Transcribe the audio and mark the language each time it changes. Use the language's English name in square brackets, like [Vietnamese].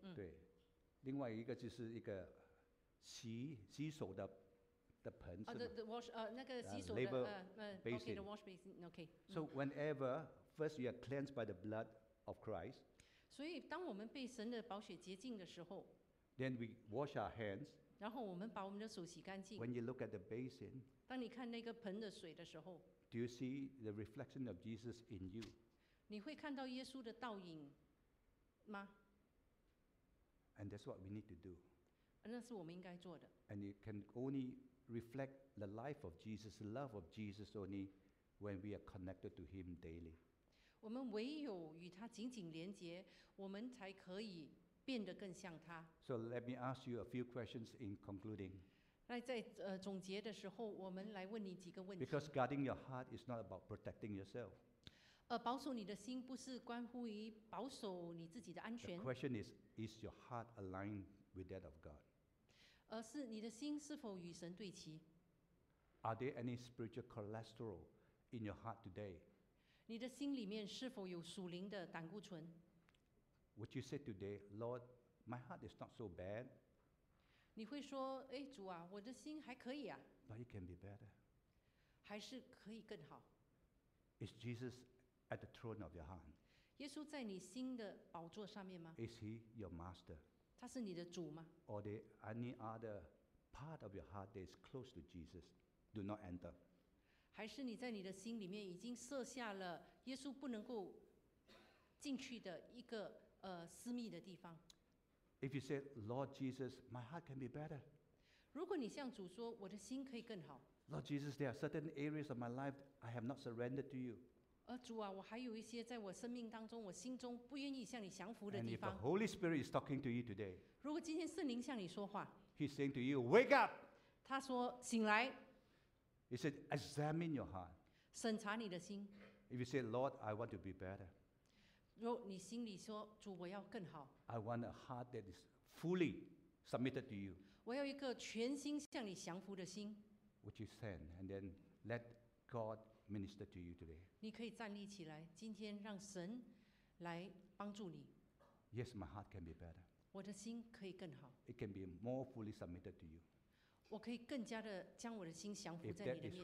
[Chinese] 对，另外一个就是一个洗手的盆子。那个洗手的 [English] basin。 Okay, the wash basin. Okay. So whenever first you are cleansed by the blood of Christ， [Chinese] 所以当我们被神的宝血洁净的时候 [English] ，then we wash our hands。 [Chinese] 然后我们把我们的手洗干净。 [English] When you look at the basin， [Chinese] 当你看那个盆的水的时候 [English] ，do you see the reflection of Jesus in you？ [Chinese] 你会看到耶稣的倒影吗？ [English] And that's what we need to do. [Chinese] 那是我们应该做的。 [English] And it can only reflect the life of Jesus, the love of Jesus only when we are connected to him daily. [Chinese] 我们唯有与他紧紧连接，我们才可以变得更像他。 [English] So let me ask you a few questions in concluding. [Chinese] 在总结的时候，我们来问你几个问题。 [English] Because guarding your heart is not about protecting yourself. [Chinese] 保守你的心不是关乎于保守你自己的安全。 [English] The question is your heart aligned with that of God? [Chinese] 而是你的心是否与神对齐。 [English] Are there any spiritual cholesterol in your heart today? [Chinese] 你的心里面是否有属灵的胆固醇？ [English] Would you say today, Lord, my heart is not so bad? [Chinese] 你会说，哎，主啊，我的心还可以啊。 [English] But it can be better. [Chinese] 还是可以更好。 [English] Is Jesus at the throne of your heart? [Chinese] 耶稣在你心的宝座上面吗？ [English] Is he your master? [Chinese] 他是你的主吗？ [English] Or the any other part of your heart that is close to Jesus, do not enter. [Chinese] 还是你在你的心里面已经设下了耶稣不能够进去的一个私密的地方？ [English] If you say, Lord Jesus, my heart can be better. [Chinese] 如果你向主说，我的心可以更好。 [English] Lord Jesus, there are certain areas of my life I have not surrendered to you. [Chinese] 主啊，我还有一些在我生命当中，我心中不愿意向你降服的地方。 [English] And if the Holy Spirit is talking to you today, [Chinese] 如果今天圣灵向你说话， [English] He's saying to you, wake up. [Chinese] 他说醒来。 [English] He said, examine your heart. [Chinese] 审查你的心。 [English] If you say, Lord, I want to be better. [Chinese] 如果你心里说，主，我要更好。 [English] I want a heart that is fully submitted to you. [Chinese] 我要一个全心向你降服的心。 [English] Would you stand and then let God minister to you today? [Chinese] 你可以站立起来，今天让神来帮助你。 [English] Yes, my heart can be better. [Chinese] 我的心可以更好。 [English] It can be more fully submitted to you. [Chinese] 我可以更加的将我的心降服在你的面前。